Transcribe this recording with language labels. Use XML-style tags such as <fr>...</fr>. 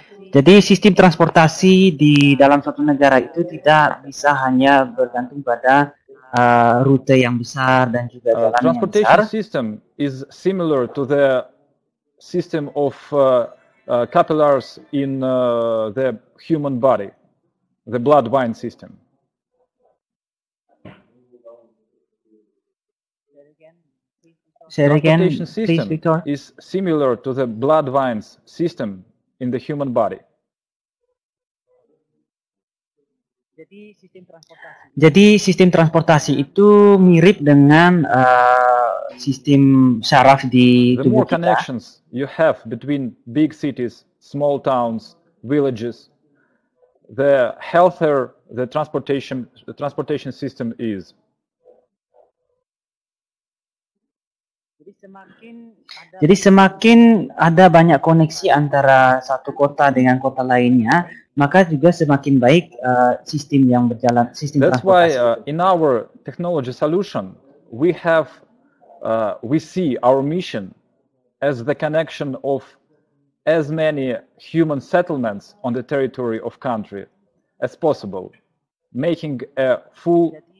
<id>Jadi sistem transportasi di dalam suatu negara itu tidak bisa hanya bergantung pada rute yang besar dan juga jalan yang besar.</id> <en>Transportation system is similar to the system of capillaries in the human body, the blood vein system. Say it again, please, Victor. Is similar to the blood vein's system in the human body.</en> <id>Jadi sistem transportasi itu mirip dengan sistem saraf di tubuh kita.</id> <en>The more connections you have between big cities, small towns, villages, the healthier the transportation system is.</en> <id>Jadi semakin ada banyak koneksi antara satu kota dengan kota lainnya, maka juga semakin baik sistem yang berjalan, sistem</id> <en>That's</en> <id>transportasi.</id> <en>That's why in our technology solution, we see our mission as the connection of as many human settlements on the territory of country as possible, making a full.</en>